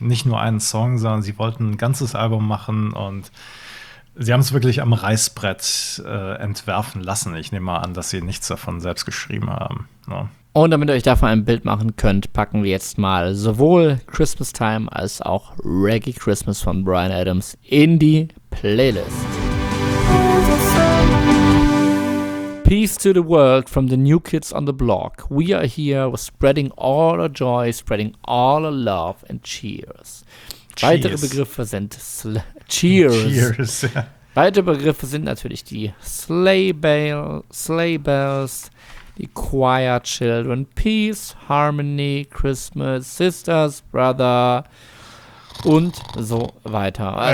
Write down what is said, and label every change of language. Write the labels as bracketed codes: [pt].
[de] Nicht nur einen Song, sondern sie wollten ein ganzes Album machen und sie haben es wirklich am Reißbrett entwerfen lassen. Ich nehme mal an, dass sie nichts davon selbst geschrieben haben. Ne? Und damit ihr euch davon ein Bild machen könnt, packen wir jetzt mal sowohl Christmas Time als auch Reggae Christmas von Bryan Adams in die Playlist. [en] Peace to the world from the new kids on the block. We are here with spreading all our joy, spreading all our love and cheers. [de] Weitere Begriffe sind cheers. Weitere Begriffe sind natürlich die sleigh bells, die choir children, peace, harmony, Christmas, sisters, brother und so weiter. Ja.